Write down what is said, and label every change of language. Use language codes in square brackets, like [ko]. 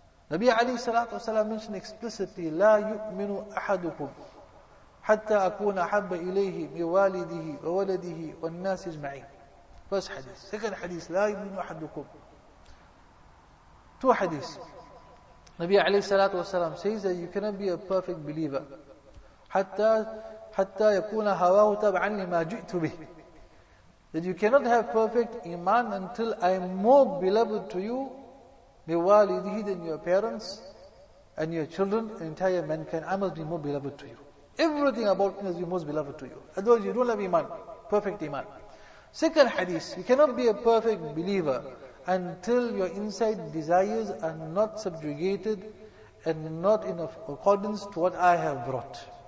[en] Nabi alayhi salatu wasalam mentioned explicitly, [ar] لا يؤمن أحدكم حتى أكون أحب إليه من والده وولده والناس أجمعين. [en] First hadith. Second hadith. [ar] لا يؤمن أحدكم. [en] Two hadiths. Nabi alayhi salatu wasalam says that you cannot be a perfect believer. [ar] حتى يكون هواه تبعا لما جئت به. [en] That you cannot have perfect iman until I am more beloved to you بوالده than your parents and your children and entire mankind. I must be more beloved to you. Everything about me must be most beloved to you. Otherwise you don't have iman, perfect iman. Second hadith, you cannot be a perfect believer until your inside desires are not subjugated and not in accordance to what I have brought.